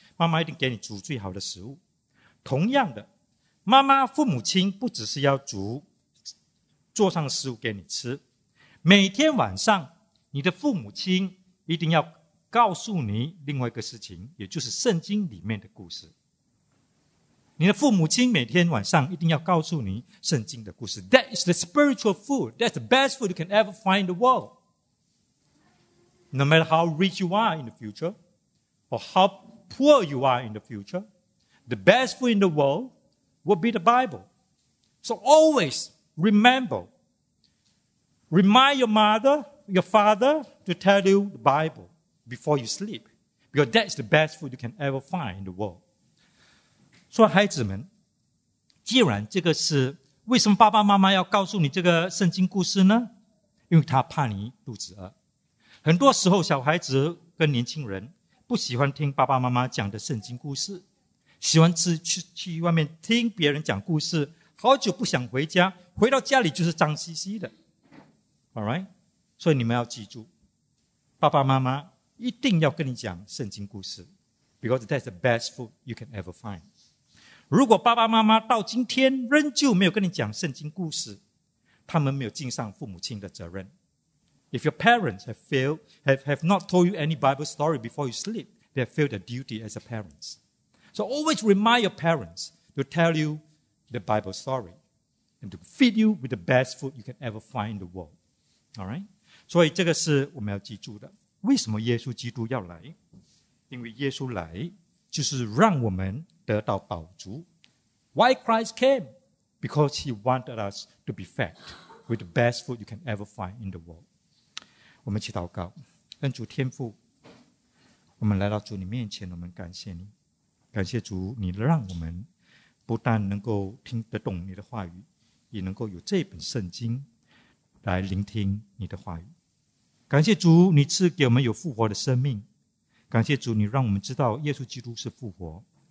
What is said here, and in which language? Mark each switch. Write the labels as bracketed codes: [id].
[zh] 妈妈一定给你煮最好的食物。同样的，妈妈父母亲不只是要煮桌上的食物给你吃，每天晚上你的父母亲一定要告诉你另外一个事情，也就是圣经里面的故事。你的父母亲每天晚上一定要告诉你圣经的故事。 [en] That is the spiritual food. That's the best food you can ever find in the worldNo matter how rich you are in the future, or how poor you are in the future, the best food in the world will be the Bible. So always remember, remind your mother, your father to tell you the Bible before you sleep, because that's the best food you can ever find in the world. [zh] 所以孩子们，既然这个是，为什么爸爸妈妈要告诉你这个圣经故事呢？因为他怕你肚子饿。很多时候小孩子跟年轻人不喜欢听爸爸妈妈讲的圣经故事，喜欢去外面听别人讲故事，好久不想回家，回到家里就是脏兮兮的。 [en] Alright? [zh] 所以你们要记住，爸爸妈妈一定要跟你讲圣经故事， [en] Because that's the best food you can ever find. [zh] 如果爸爸妈妈到今天仍旧没有跟你讲圣经故事，他们没有尽上父母亲的责任。 [en] If your parents have not told you any Bible story before you sleep, they have failed their duty as a parent. So always remind your parents to tell you the Bible story and to feed you with the best food you can ever find in the world. All right? [zh] 所以这个是我们要记住的。为什么耶稣基督要来？因为耶稣来就是让我们得到饱足。 [en] Why Christ came? Because he wanted us to be fed with the best food you can ever find in the world. [zh] 我们一起祷告。恩主天父，我们来到主你面前，我们感谢你，感谢主你让我们不但能够听得懂你的话语，也能够有这本圣经来聆听你的话语。感谢主你赐给我们有复活的生命，感谢主你让我们知道耶稣基督是复活。